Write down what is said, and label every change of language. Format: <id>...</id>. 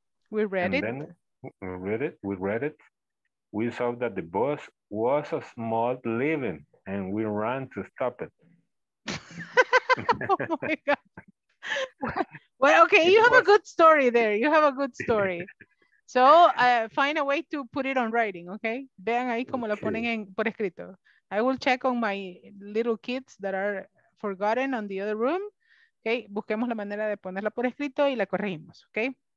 <en>We saw that the bus was a small living and we ran to stop it. Oh my God. Well, okay, you have a good story there. You have a good story. So, find a way to put it on writing, okay?</en> <es>Vean ahí como lo ponen en, por escrito.</es> <en>I will check on my little kids that are forgotten on the other room.</en> <es>Okay, busquemos la manera de ponerla por escrito y la corregimos, okay?</es>